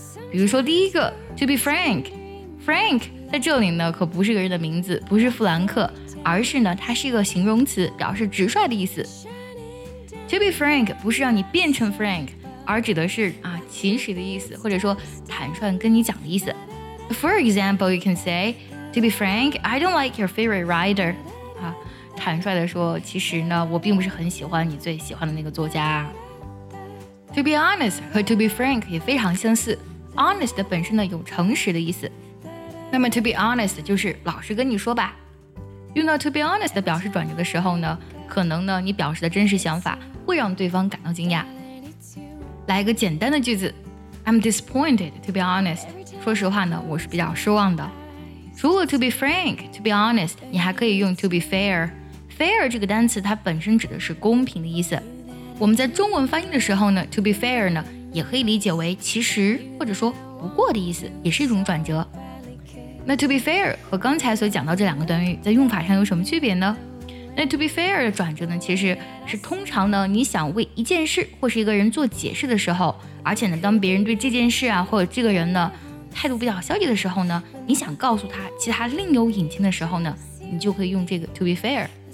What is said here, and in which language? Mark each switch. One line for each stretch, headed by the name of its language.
Chinese: 比如说第一个 to be frank， frank 在这里呢可不是个人的名字，不是富兰克，而是呢它是一个形容词，表示直率的意思。 to be frank 不是让你变成 frank， 而指的是啊其实的意思，或者说坦率跟你讲的意思。
English: For example you can say to be frank I don't like your favorite writer，
Chinese: 坦率地说，其实呢我并不是很喜欢你最喜欢的那个作家。 To be honest 和 to be frank 也非常相似， honest 本身呢有诚实的意思，那么 to be honest 就是老实跟你说吧。用到 to be honest 表示转折的时候呢，可能呢你表示的真实想法会让对方感到惊讶。来一个简单的句子，
English: I'm disappointed to be honest，
Chinese: 说实话呢我是比较失望的。除了 to be frank to be honest， 你还可以用 to be fair。 fair 这个单词它本身指的是公平的意思，我们在中文翻译的时候呢， to be fair 呢也可以理解为其实或者说不过的意思，也是一种转折。那 to be fair 和刚才所讲到这两个短语在用法上有什么区别呢？那 to be fair 的转折呢，其实是通常呢你想为一件事或是一个人做解释的时候，而且呢当别人对这件事啊或者这个人呢态度比较消极的时候呢，你想告诉他其他另有隐情的时候呢，你就可以用这个 to be fair。